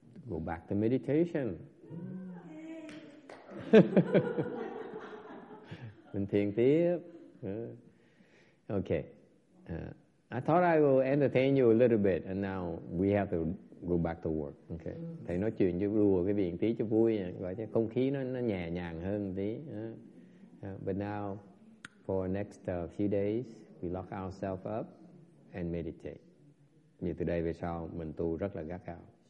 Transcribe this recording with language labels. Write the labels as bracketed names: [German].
[English] Go back to meditation. [Vietnamese] Mình thiền tiếp. Okay. [English] I thought I will entertain you a little bit and now we have to go back to work. Okay. [Vietnamese] Thầy nói chuyện cho đùa cái viện tí cho vui nha. Gọi cho không khí nó nhẹ nhàng hơn tí. [English] But now, for next few days, we lock ourselves up and meditate. [Vietnamese] Như từ đây về sau, mình tu rất là gắt gao.